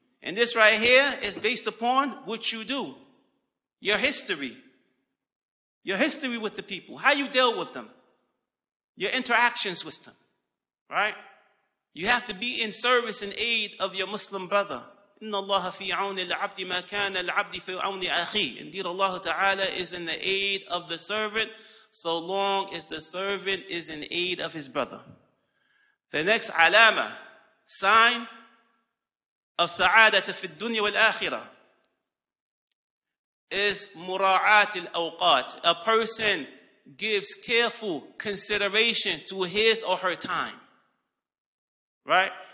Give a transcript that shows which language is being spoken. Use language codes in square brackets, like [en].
[en] And this right here is based upon what you do. Your history. Your history with the people. How you dealt with them. Your interactions with them. Right? You have to be in service and aid of your Muslim brother. [ar] إِنَّ اللَّهَ فِي عَوْنِ الْعَبْدِ مَا كَانَ الْعَبْدِ فِي عَوْنِ أَخِيهِ. [en] Indeed, Allah Ta'ala is in the aid of the servant so long as the servant is in aid of his brother. The next alama, sign of [ar] sa'adata fi dunya wal akhirah, [en] is mura'at al awqat. A person gives careful consideration to his or her time. Right?